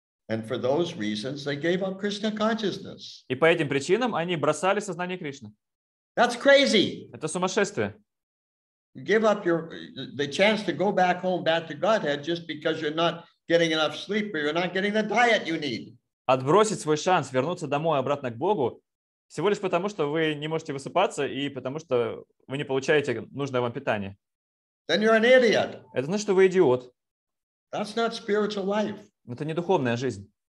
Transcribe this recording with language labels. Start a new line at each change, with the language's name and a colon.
English: And for those reasons, they gave up Krishna consciousness.
Russian: И по этим причинам они бросали сознание Кришны.
English: That's crazy.
Russian: Это сумасшествие.
English: Give up your the chance to go back home, back to Godhead, just because you're not getting enough sleep or you're not getting the diet you need.
Russian: Отбросить свой шанс вернуться домой обратно к Богу всего лишь потому, что вы не можете высыпаться и потому, что вы не получаете нужное вам питание.
English: Then you're an idiot.
Russian: Это значит, что вы идиот.
English: That's not spiritual life.
Russian: Это не духовная жизнь.